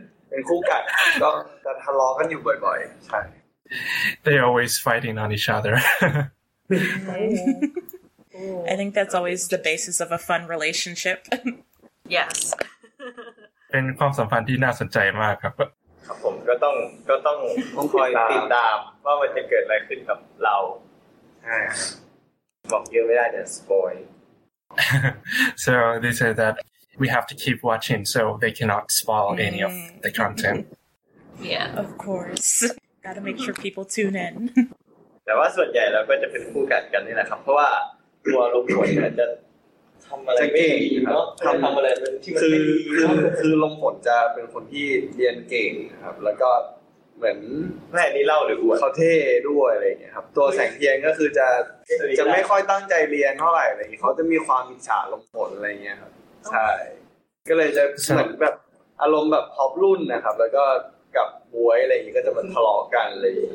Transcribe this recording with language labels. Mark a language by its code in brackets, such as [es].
[th] เป็นคู่กัดก็จะทะเลาะกันอยู่บ่อยๆใช่ [en] They always fighting on each other I think that's always the basis of a fun relationship Yes [th] เป็นความสัมพันธ์ที่น่าสนใจมากครับ ครับผมก็ต้องคอยติดตามว่ามันจะเกิดอะไรขึ้นกับเราบอกเยอะไม่ได้เดี๋ยวสปอย [en] So they said that we have to keep watching so they cannot spoil any of the content Yeah of course gotta make sure people tune in [th] แต่ว่าส่วนใหญ่เราก็จะเป็นคู่กัดกันนี่แหละครับเพราะว่าตัวลูกผลจะทำอะไรไม่ดีเนาะทำอะไรเป็นที่มัน คือลมฝนจะเป็นคนที่เรียนเก่งครับแล้วก็เหมือน แม่นี่เล่าหรืออวด เขาเท่ด้วยอะไรเงี้ยครับตัวแสงเทียนก็คือจะไม่ค่อยตั้งใจเรียนเท่าไหร่อะไรเงี้ยเขาจะมีความอิจฉาลมฝนอะไรเงี้ยครับใช่ก็เลยจะเหมือนแบบอารมณ์แบบท็อปรุ่นนะครับแล้วก็กับบวยอะไรเงี้ยก็จะมาทะเลาะกันเลย